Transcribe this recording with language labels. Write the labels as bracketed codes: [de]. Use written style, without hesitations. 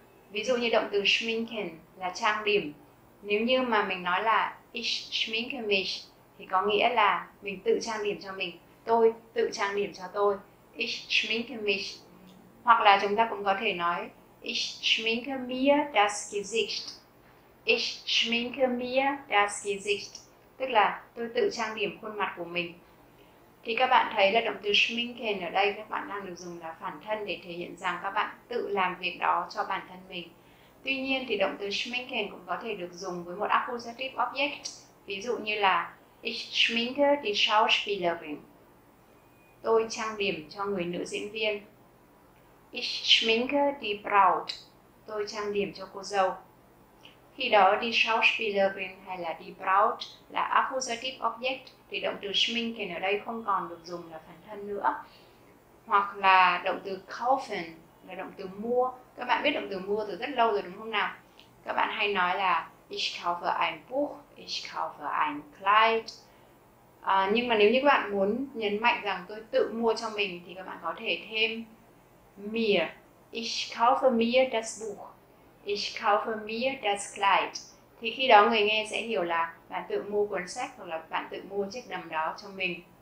[vi] Ví dụ như động từ schminken là trang điểm. Nếu như mà mình nói là [de] ich schminke mich [vi] thì có nghĩa là mình tự trang điểm cho mình, tôi tự trang điểm cho tôi, ich schminke mich. Hoặc là chúng ta cũng có thể nói [de] ich schminke mir das Gesicht. Ich schminke mir das Gesicht. [vi] Tức là tôi tự trang điểm khuôn mặt của mình. Thì các bạn thấy là động từ schminken ở đây các bạn đang được dùng là phản thân để thể hiện rằng các bạn tự làm việc đó cho bản thân mình. Tuy nhiên thì động từ schminken cũng có thể được dùng với một accusative object. Ví dụ như là [de] ich schminke die Schauspielerin. [vi] Tôi trang điểm cho người nữ diễn viên. [de] Ich schminke die Braut. [vi] Tôi trang điểm cho cô dâu. Khi đó die Schauspielerin hay là die Braut là accusative object thì động từ schminken ở đây không còn được dùng là phản thân nữa. Hoặc là động từ kaufen là động từ mua. Các bạn biết động từ mua từ rất lâu rồi đúng không nào? Các bạn hay nói là [de] ich kaufe ein Buch, ich kaufe ein Kleid. [vi] Nhưng mà nếu như các bạn muốn nhấn mạnh rằng tôi tự mua cho mình thì các bạn có thể thêm mir, [de] ich kaufe mir das Buch, ich kaufe mir das Kleid. [vi] Thì khi đó người nghe sẽ hiểu là bạn tự mua cuốn sách hoặc là bạn tự mua chiếc đầm đó cho mình.